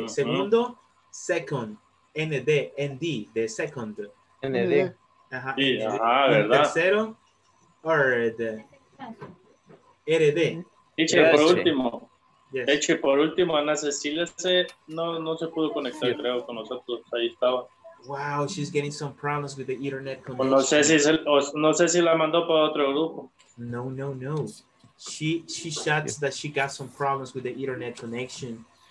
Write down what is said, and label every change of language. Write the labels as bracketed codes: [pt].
[es] Uh-huh. Segundo, second, ND, ND, de second. ND. Ajá, sí, ND. Ajá, ¿verdad? Y tercero, RD. RD. Eche por último. Yes. Eche por último, Ana Cecilia, no se pudo conectar, sí. Creo, con nosotros. Ahí estaba. [en] Wow, she's getting some problems with the internet connection. [es] No sé si, la mandó para otro grupo. No. [en] She shouts that she got some problems with the internet connection.